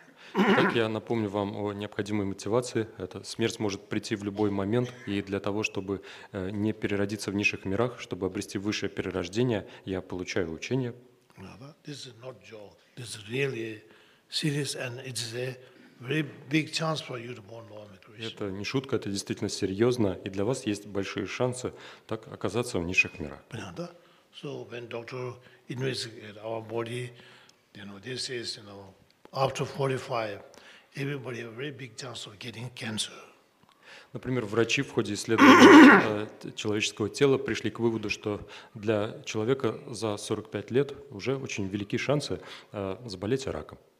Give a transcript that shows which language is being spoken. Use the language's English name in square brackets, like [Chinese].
[Russian] Итак, я напомню вам о необходимой мотивации. Это смерть может прийти в любой момент, и для того, чтобы не переродиться в низших мирах, чтобы обрести высшее перерождение, я получаю учение. [English] This is not a joke. This is really serious, and it is a very big chance for you to be born Lord Krishna. [Russian] Это не шутка, это действительно серьезно, и для вас есть большие шансы так оказаться в низших мирах. Понятно? [English] So when doctor investigated our body, you know, this is, you know, after 45, everybody have a very big chance of getting cancer. [Russian] Например, врачи в ходе исследования человеческого тела пришли к выводу, что для человека за 45 лет уже очень велики шансы заболеть раком.